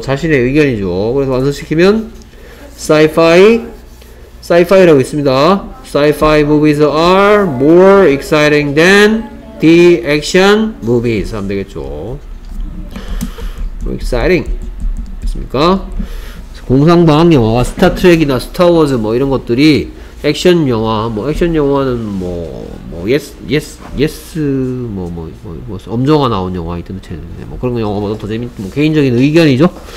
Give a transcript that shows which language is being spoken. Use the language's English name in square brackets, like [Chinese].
[Korean] 자신의 의견이죠. 그래서 완성시키면 사이파이라고 있습니다. [English] Sci-fi movies are more exciting than the action movies [Korean] 하면 되겠죠. Exciting. 됐습니까? 공상과학 영화가 스타트랙이나 스타워즈 뭐 이런 것들이 액션 영화, 뭐 액션 영화는 뭐 예스 엄정화 나온 영화 있던데 최근에 뭐 그런 영화보다 더 재밌는 뭐 개인적인 의견이죠.